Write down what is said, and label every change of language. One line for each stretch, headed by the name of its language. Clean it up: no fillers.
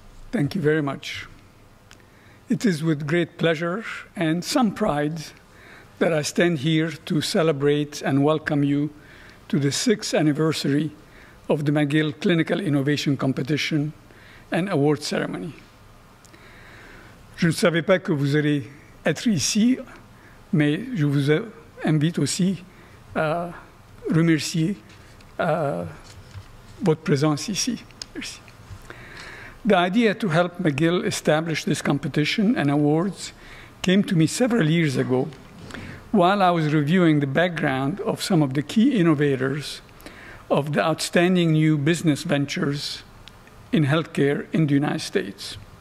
English: Thank you very much. It is with great pleasure and some pride that I stand here to celebrate and welcome you to the sixth anniversary of the McGill Clinical Innovation Competition and Award Ceremony.
French: Je ne savais pas que vous allez être ici, mais je vous invite aussi à remercier votre présence ici. Merci.
English: The idea to help McGill establish this competition and awards came to me several years ago while I was reviewing the background of some of the key innovators of the outstanding new business ventures in healthcare in the United States.